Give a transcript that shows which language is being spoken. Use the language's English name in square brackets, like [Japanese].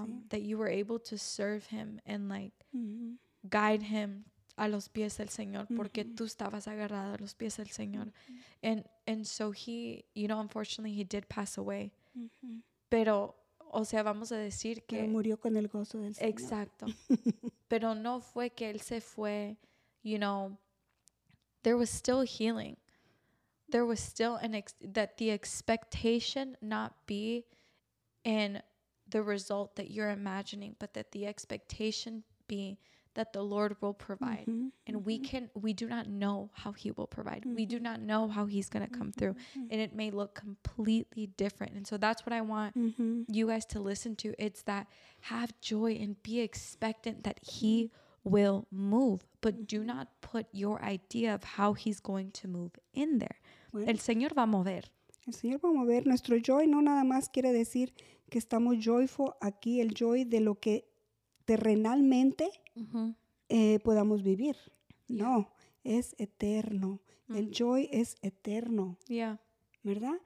[English] That you were able to serve him and like mm-hmm. guide him [Spanish] a los pies del Señor porque tú estabas agarrada a los pies del Señor. [English] And so he, you know, unfortunately he did pass away. Mm-hmm. [Spanish] Pero, o sea, vamos a decir que... Pero murió con el gozo del Señor. Exacto. Pero no fue que él se fue, [English] you know, there was still healing. There was still an that the expectation not be in... the result that you're imagining, but that the expectation be that the Lord will provide. Mm-hmm. And mm-hmm. We do not know how he will provide. Mm-hmm. We do not know how he's going to come mm-hmm. through. Mm-hmm. And it may look completely different. And so that's what I want mm-hmm. you guys to listen to. It's that have joy and be expectant that he will move. But mm-hmm. do not put your idea of how he's going to move in there. [Spanish] Bueno. El Señor va a mover. El Señor va a mover. Nuestro joy no nada más quiere decir que estamos joyful aquí, el joy de lo que terrenalmente uh-huh. Podamos vivir. Yeah. No, es eterno. Mm-hmm. El joy es eterno. [English] Yeah. [Spanish] ¿Verdad?